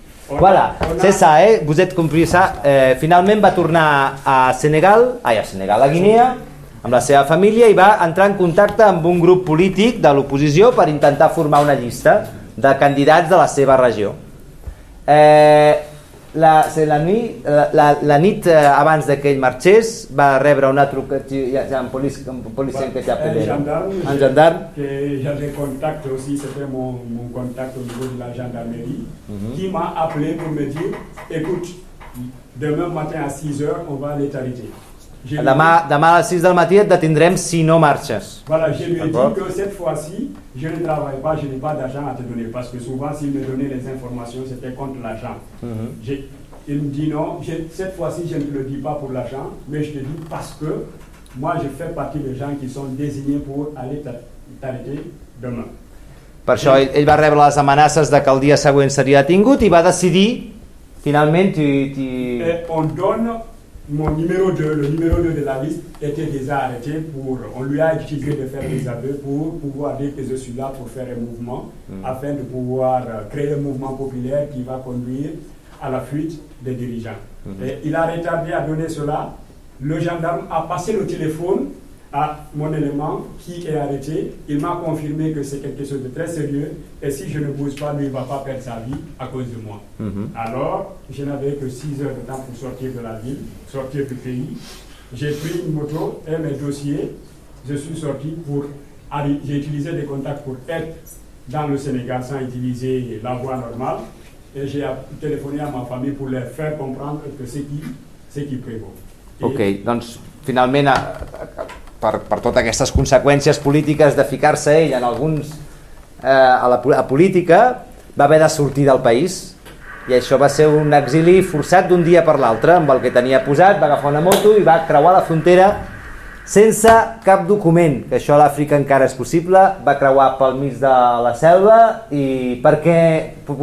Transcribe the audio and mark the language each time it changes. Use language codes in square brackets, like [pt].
[fr] Voilà, c'est ça, vous êtes compris ça. [ca] Finalment va tornar a Senegal, a Guinea, amb la seva família, i va entrar en contacte amb un grup polític de l'oposició per intentar formar una llista de candidats de la seva regió. La nit abans que ell marxés va rebre una trucada en policia que ja [fr] pelé. En gendarme. [ca] Que ja de [fr] contacte aussi, c'était mon contacte au niveau de la gendarmerie, qui m'a appelé pour me dire, écoute, demain matin à 6h, on va aller t'arrêter. [ca] Demà a les 6 del matí et detindrem si no marxes. [fr] Voilà, je lui ai dit que cette fois-ci, je ne travaille pas, je n'ai pas d'argent à te donner, parce que souvent, s'il me donnait les informations, c'était contre l'argent. Il me dit non, cette fois-ci, je ne te le dis pas pour l'argent, mais je te dis parce que moi, je fais partie des gens qui sont désignés pour aller t'arrêter demain. [ca] Per això, ell va rebre les amenaces de que el dia següent seria detingut i va decidir, finalment, [fr] on donne... Mon numéro 2, le numéro 2 de la liste, était déjà arrêté pour... On lui a exigé de faire des aveux pour pouvoir dire que je suis là pour faire un mouvement afin de pouvoir créer un mouvement populaire qui va conduire à la fuite des dirigeants. Et il a retardé à donner cela. Le gendarme a passé le téléphone à mon élément qui est arrêté. Il m'a confirmé que c'est quelque chose de très sérieux et si je ne bouge pas, lui, il ne va pas perdre sa vie à cause de moi. Alors, je n'avais que 6 heures de temps pour sortir de la ville, sortir du pays. J'ai pris une moto et mes dossiers. Je suis sorti pour aller. J'ai utilisé des contacts pour être dans le Sénégal sans utiliser la voie normale. Et j'ai téléphoné à ma famille pour leur faire comprendre que c'est qui prévaut. [ca] Ok, donc finalement, per totes aquestes conseqüències polítiques de ficar-se ell en alguns a la política, va haver de sortir del país, i això va ser un exili forçat d'un dia per l'altre, amb el que tenia posat, va agafar una moto i va creuar la frontera sense cap document, que això a l'Àfrica encara és possible, va creuar pel mig de la selva, i perquè...